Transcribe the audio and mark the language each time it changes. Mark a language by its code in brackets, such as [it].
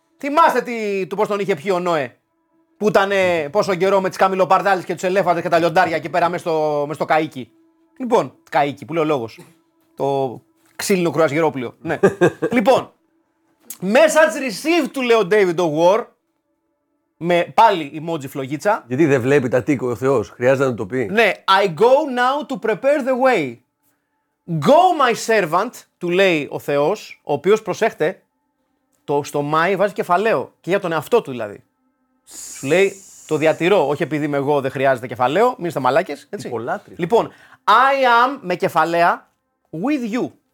[el] Θυμάστε πώς τον είχε πιει ο Νόε. Που ήταν πόσο καιρό με τις καμιλοπαρδάλες και τους ελέφαντες και τα λιοντάρια εκεί πέρα μες στο καΐκι. Λοιπόν, καΐκι, που λέει ο λόγος. Το ξύλινο κρουαζιερόπλοιο. Ναι. Λοιπόν, [en] message received [el] του λέει ο David O'War. Με πάλι emoji φλογίτσα. Γιατί δεν βλέπει τα τίκο ο Θεός, χρειάζεται να το πει. [en] Ναι, I go now to prepare the way. Go my servant, [el] του λέει ο Θεός, ο οποίος προσέχτε, στο my βάζει κεφαλαίο. Και για τον εαυτό του δηλαδή. Σου λέει, το διατηρώ, όχι επειδή είμαι εγώ, δεν χρειάζεται κεφαλαίο, μην είστε μαλάκες, έτσι. Υπολάτρια. Λοιπόν, [en] I am, [el] με κεφαλαία, [en] with you.